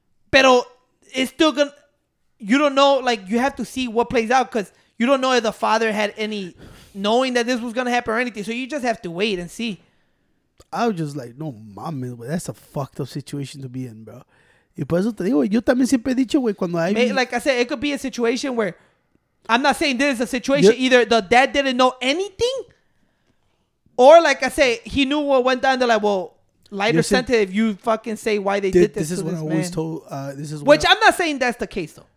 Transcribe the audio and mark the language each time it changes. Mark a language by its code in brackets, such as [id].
[en] Pero it's still gonna. You don't know. Like, you have to see what plays out, because you don't know if the father had any knowing that this was gonna happen or anything. So you just have to wait and see. I was just like, [es] no mames, [en] but that's a fucked up situation to be in, bro. [es] Y por eso te digo, yo también siempre he dicho, güey, cuando hay... [en] Like I said, it could be a situation where... I'm not saying this is a situation. Yep. Either the dad didn't know anything, or like I said, he knew what went down. They're like, well, lighter sentence if you fucking say why they did this to this man. I'm not saying that's the case, though.